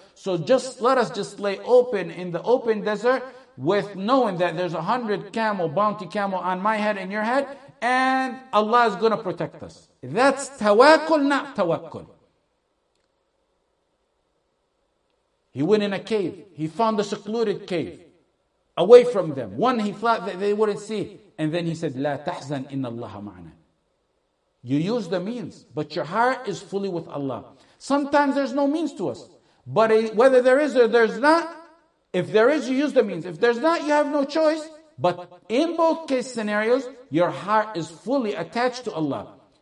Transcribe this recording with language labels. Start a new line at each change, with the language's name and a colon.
English: So just let us just lay open in the open desert with knowing that there's 100 bounty camel on my head and your head, and Allah is going to protect us. That's tawakkul, not tawakkul. He went in a cave. He found a secluded cave away from them. One he thought that they wouldn't see. And then he said,
Arabic: لا تحزن إن الله معنا.
English: You use the means, but your heart is fully with Allah. Sometimes there's no means to us. But whether there is or there's not, if there is, you use the means. If there's not, you have no choice. But in both case scenarios, your heart is fully attached to Allah.